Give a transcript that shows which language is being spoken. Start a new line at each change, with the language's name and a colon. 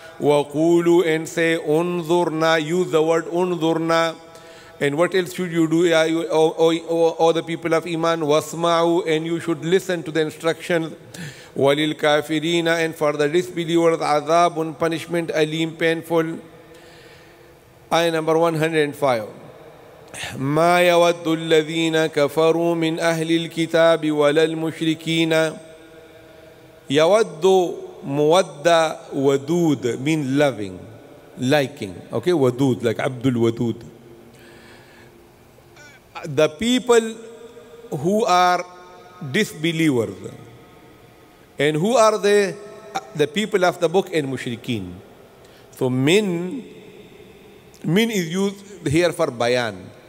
English: Waqulu, and say unzurna, use the word unzurna. And what else should you do, all the people of iman? Wasma'u, and you should listen to the instructions. Walil kafirina, and for the disbelievers, azabun, punishment, aleem, painful. Ayah number 105.
Arabic: ما يود الذين كفروا من أهل الكتاب ولا المشركين يود مودة ودود
English: mean loving, liking. Okay,
Arabic: ودود
English: like Abdul Wadud. The people who are disbelievers, and who are they? The people of the book and مشركين. So من is used here for bayan.